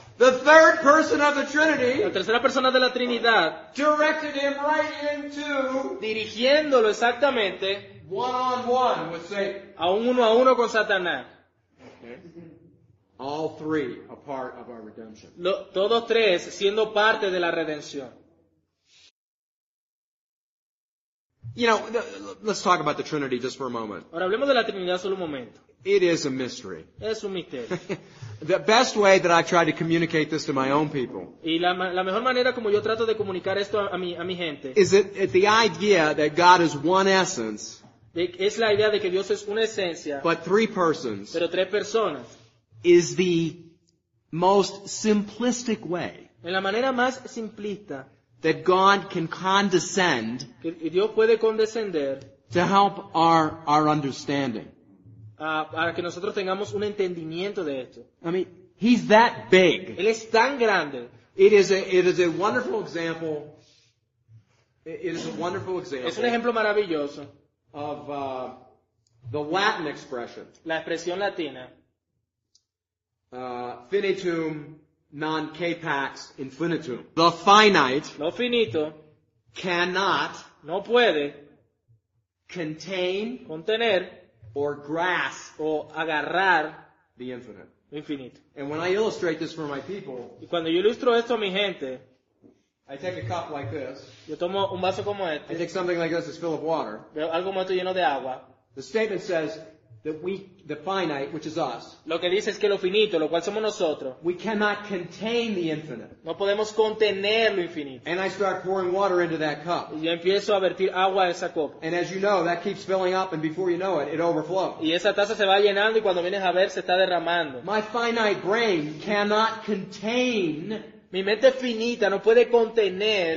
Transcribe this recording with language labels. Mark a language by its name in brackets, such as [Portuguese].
[English] The third person of the Trinity. [Spanish] La tercera persona de la Trinidad. [English] Directed him right into. [Spanish] Dirigiéndolo exactamente. [English] One on one with Satan. [Spanish] A uno con Satanás. [English] Okay. All three a part of our redemption. [Spanish] Todos tres siendo parte de la redención. [English] You know, let's talk about the Trinity just for a moment. [Spanish] Ahora hablemos de la Trinidad solo un momento. [English] It is a mystery. [Spanish] Es un misterio. [English] The best way that I've tried to communicate this to my own people. [Spanish] Y la mejor manera como yo trato de comunicar esto a mi gente. [English] Is it the idea that God is one essence? [Spanish] Es la idea de que Dios es una esencia. [English] But three persons. [Spanish] Pero tres personas. [English] Is the most simplistic way. [Spanish] En la manera más simplista. [English] That God can condescend. [Spanish] Que Dios puede condescender. [English] To help our understanding. [Spanish] Para que nosotros tengamos un entendimiento de esto. [English] I mean, he's that big. [Spanish] Él es tan grande. [English] It is a wonderful example. It is a wonderful example. [Spanish] Es un ejemplo maravilloso. [English] Of the Latin expression. [Spanish] La expresión latina. [Latin] Finitum non capax infinitum. [English] The finite. [Spanish] Lo finito. [English] Cannot. [Spanish] No puede. [English] Contain. [Spanish] Contener. [English] Or grasp. [Spanish] O agarrar. [English] The infinite. [Spanish] Infinito. [English] And when I illustrate this for my people. [Spanish] Y cuando yo ilustro esto a mi gente. [English] I take a cup like this. [Spanish] Yo tomo un vaso como este. [English] I take something like this that's filled with water. [Spanish] Algo como esto lleno de agua. [English] The statement says that we, the finite, which is us. [Spanish] Lo que dice es que lo finito, lo cual somos nosotros. [English] We cannot contain the infinite. [Spanish] No podemos contener lo infinito. [English] And I start pouring water into that cup. [Spanish] Y yo empiezo a vertir agua a esa copa. [English] And as you know, that keeps filling up, and before you know it, it overflows. [Spanish] Y esa taza se va llenando, y cuando vienes a ver, se está derramando. [English] My finite brain cannot contain. [Spanish] Mi mente finita no puede contener.